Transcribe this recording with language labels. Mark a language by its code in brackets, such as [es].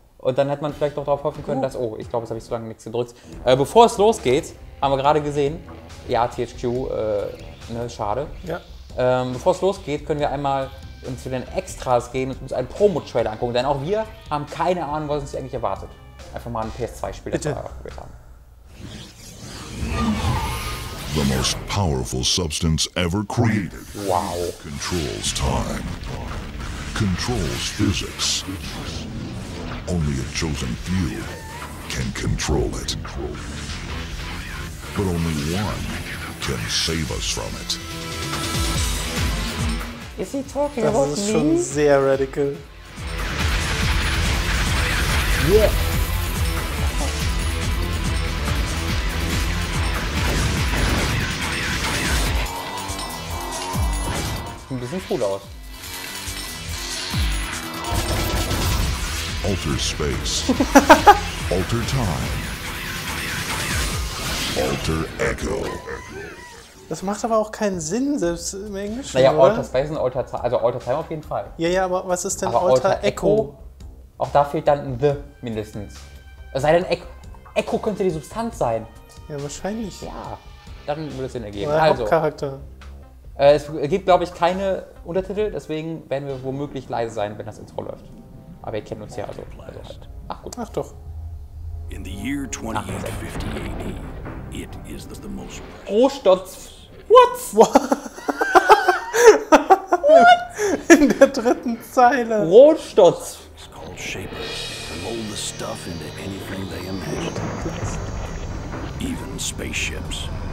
[de] Und dann hätte man vielleicht doch darauf hoffen können, dass... Oh, ich glaube, jetzt habe ich so lange nichts gedrückt. Bevor es losgeht, haben wir gerade gesehen, ja, THQ, ne, schade. Ja. Bevor es losgeht, können wir einmal zu den Extras gehen und uns einen Promo-Trailer angucken. Denn auch wir haben keine Ahnung, was uns eigentlich erwartet. Einfach mal ein PS2-Spiel dafür haben. [en] The most powerful substance ever created. Wow. Controls time. Controls physics. Only a chosen few can control it. But only one can save us from it. Is he talking [de] das [en] about me? [de] Das ist schon sehr radical. [en] Yeah. [de] Ein bisschen cool aus. [en] Alter Space. Alter Time. Alter Echo. [de] Das macht aber auch keinen Sinn, selbst im Englischen. Naja, Alter Space und Alter Time. Also Alter Time auf jeden Fall. Ja, ja, aber was ist denn aber [en] Alter Echo? [de] Auch da fehlt dann ein The mindestens. Sei denn Echo könnte die Substanz sein. Ja, wahrscheinlich. Ja, dann würde es Sinn ergeben. Oder also, Hauptcharakter. Es gibt, glaube ich, keine Untertitel, deswegen werden wir womöglich leise sein, wenn das Intro läuft. Aber ihr kennt uns ja also halt. Ach gut. Ach doch. [en] In the year 2050 AD, it is the most... [de] Rohstoff... What? [en] What? [de] In der dritten Zeile. Rohstoff. [en] It's called Shapers. They mold the stuff into anything they imagine. Even spaceships.